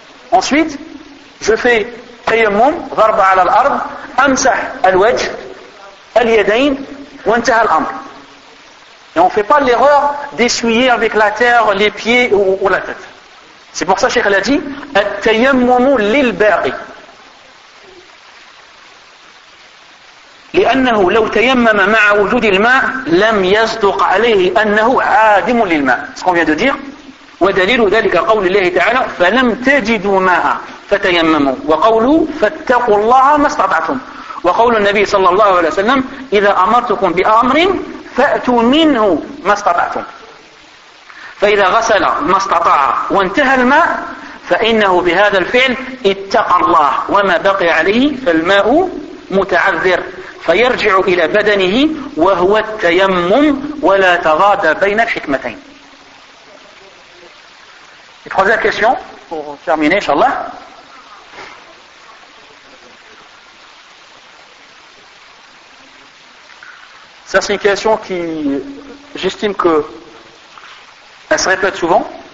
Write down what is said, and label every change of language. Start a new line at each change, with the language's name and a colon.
French: Ensuite, je fais tayammum,
Arabic: varba ala al-ard, amsah al-wajh, al-yadayn, wantah al-amr.
French: Et on ne fait pas l'erreur d'essuyer avec la terre, les pieds ou la tête. C'est pour ça que Cheikh l'a dit,
Arabic: التيمم للباقي. لأنه لو تيمم مع وجود الماء لم يصدق عليه أنه عادم للماء.
French: Ce qu'on vient de dire,
Arabic: ودليل ذلك قول الله تعالى فلم تجدوا ماء فتيمموا وقوله فاتقوا الله ما استطعتم وقول النبي صلى الله عليه وسلم إذا أمرتكم بأمر فأتوا منه ما استطعتم فإذا غسل ما استطاع وانتهى الماء فإنه بهذا الفعل اتقى الله وما بقي عليه فالماء متعذر فيرجع إلى بدنه وهو التيمم ولا تضاد بين الحكمتين.
French: Une troisième question pour terminer, inshallah. Ça, c'est une question qui, j'estime que, elle se répète souvent.